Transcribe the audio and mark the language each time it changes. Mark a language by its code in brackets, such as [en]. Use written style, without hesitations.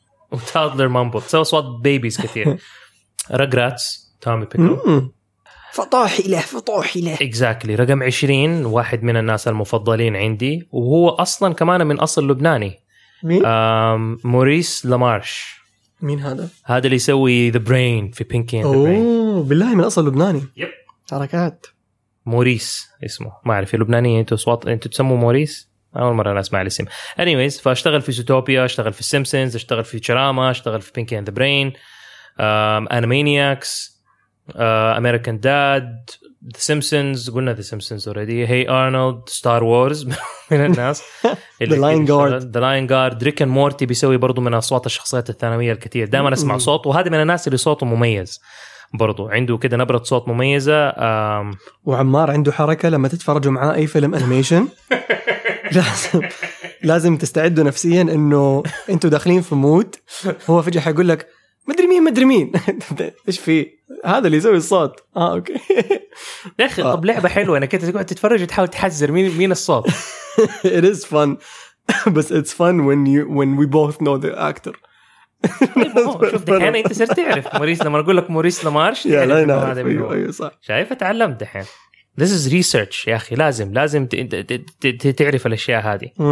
[ar] وتادلر مامبل سوى صوت بيبيز كثير. رجراتس تومي بيكل فطاحي له فطاحي له [en] exactly. [ar] رقم 20 واحد من الناس المفضلين عندي وهو أصلا كمان من أصل لبناني. مين؟ موريس لامارش. مين هذا؟ هذا اللي يسوي The Brain في Pinky and the Brain. بالله من أصل لبناني. يب. حركات موريس اسمه ما أعرف لبناني. أنتوا صوت أنتوا تسموا موريس؟ أول مرة أنا أسمع الاسم. anyways فاشتغل في زوتوبيا، اشتغل في سيمسنز، اشتغل في تشراما، اشتغل في Pinky and the Brain، أنيمانياكس، American Dad، The Simpsons، قلنا The Simpsons already، Hey Arnold، Star Wars من الناس The Lion Guard، The Lion Guard، Rick and Morty بيسوي برضو من أصوات الشخصيات الثانوية الكثير، دائما أسمع صوته، وهذا من الناس اللي صوته مميز برضو، عنده كده نبرة صوت مميزة. وعمار عنده حركة لما تتفرجوا معاه أي فيلم أنيميشن لازم تستعدوا نفسيا أنه أنتوا داخلين في مود، هو فجأة حيقول لك مدري مين مدري مين ايش فيه هذا اللي يسوي الصوت. اوكي دخل. طب لعبه حلوه انك انت تقعد تتفرج وتحاول تحزر مين مين الصوت. [en] it is fun [ar] بس [en] it's fun when we both know the actor. [ar] شوف دحين انت صرت تعرف موريس لما اقول لك موريس لامارش. يا لاين هذا صح شايف اتعلمت دحين. [en] This is research [ar] يا أخي، لازم لازم تعرف الأشياء هذه.